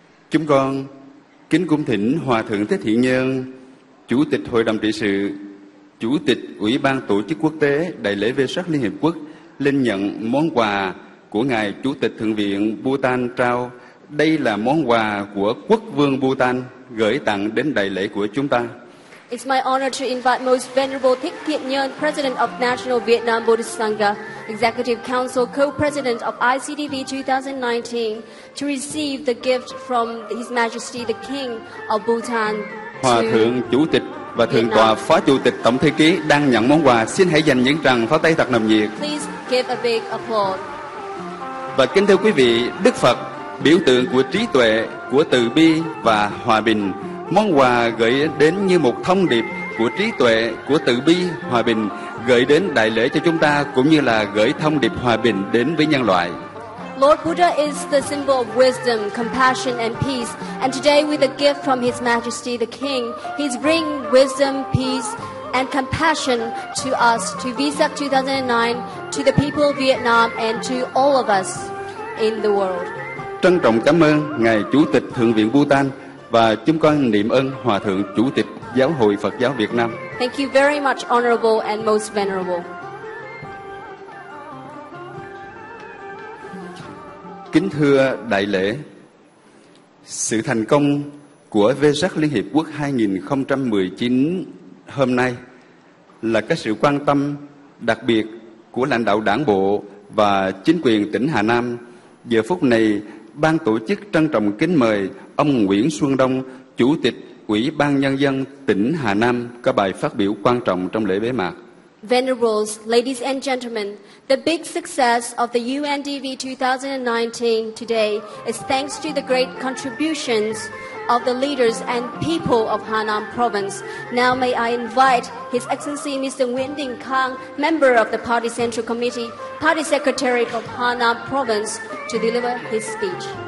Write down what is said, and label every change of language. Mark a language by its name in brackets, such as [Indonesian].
[Vietnamese] Chúng con kính cung thỉnh Hòa Thượng Thích Hiện Nhân, Chủ tịch Hội đồng Trị sự, Chủ tịch Ủy ban Tổ chức Quốc tế Đại lễ Vê Sắc Liên Hiệp Quốc, lên nhận món quà của Ngài Chủ tịch Thượng viện Bhutan trao. Đây là món quà của Quốc vương Bhutan gửi tặng đến đại lễ của chúng ta. [English] It's my honor to invite Most Venerable Thích Thiện Nhân, President of National Vietnam Buddhist Sangha, Executive Council Co-President of ICDV 2019, to receive the gift from His Majesty the King of Bhutan. [Vietnamese] Hòa Thượng Chủ tịch và Thượng tọa Phó Chủ tịch Tổng Thư ký đang nhận món quà, xin hãy dành những tràng pháo tay thật nồng nhiệt. [English] Please give a big applause. [Vietnamese] Và kính thưa quý vị, Đức Phật, biểu tượng của trí tuệ, của từ bi và hòa bình, món quà gửi đến như một thông điệp của trí tuệ, của từ bi, hòa bình gửi đến đại lễ cho chúng ta, cũng như là gửi thông điệp hòa bình đến với nhân loại. [English] Lord Buddha is the symbol of wisdom, compassion and peace, and today with a gift from His Majesty the King, He's bringing wisdom, peace and compassion to us, to Vesak 2009, to the people of Vietnam and to all of us in the world. [Vietnamese] Trân trọng cảm ơn Ngài Chủ tịch Thượng viện Bhutan. Và chúng con niệm ơn Hòa Thượng Chủ tịch Giáo hội Phật giáo Việt Nam. [English] Thank you very much, honorable and most venerable. [Vietnamese] Kính thưa đại lễ, sự thành công của Vesak Liên Hiệp Quốc 2019 hôm nay là cái sự quan tâm đặc biệt của lãnh đạo đảng bộ và chính quyền tỉnh Hà Nam. Giờ phút này, ban tổ chức trân trọng kính mời ông Nguyễn Xuân Đông, Chủ tịch Ủy ban Nhân dân tỉnh Hà Nam, có bài phát biểu quan trọng trong lễ bế mạc. [English] Venerables, ladies and gentlemen, the big success of the UNDV 2019 today is thanks to the great contributions of the leaders and people of Hà Nam province. Now may I invite His Excellency Mr. Nguyễn Đình Khang, member of the Party Central Committee, Party Secretary of Hà Nam province, to deliver his speech.